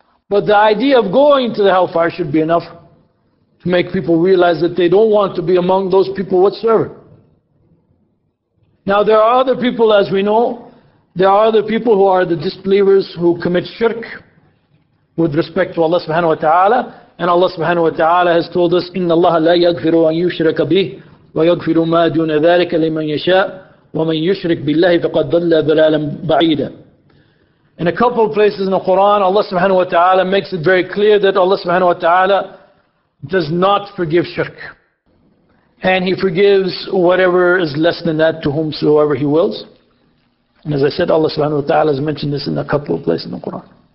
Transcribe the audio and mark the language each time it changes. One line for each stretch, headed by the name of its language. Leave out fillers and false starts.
English: But the idea of going to the hellfire should be enough to make people realize that they don't want to be among those people whatsoever. Now there are other people, as we know, there are other people who are the disbelievers who commit shirk with respect to Allah subhanahu wa ta'ala. And Allah subhanahu wa ta'ala has told us,
Arabic: إِنَّ اللَّهَ لَا يَغْفِرُ أَنْ يُشْرَكَ بِهِ وَيَغْفِرُ مَا دُونَ ذَلِكَ لِمَنْ يَشَاءُ وَمَنْ يُشْرِكْ بِاللَّهِ فَقَدْ ضَلَّ ضَلَالًا بَعِيدًا.
English: In a couple of places in the Quran, Allah subhanahu wa ta'ala makes it very clear that Allah subhanahu wa ta'ala does not forgive shirk. And He forgives whatever is less than that to whomsoever He wills. And as I said, Allah subhanahu wa ta'ala has mentioned this in a couple of places in the Quran.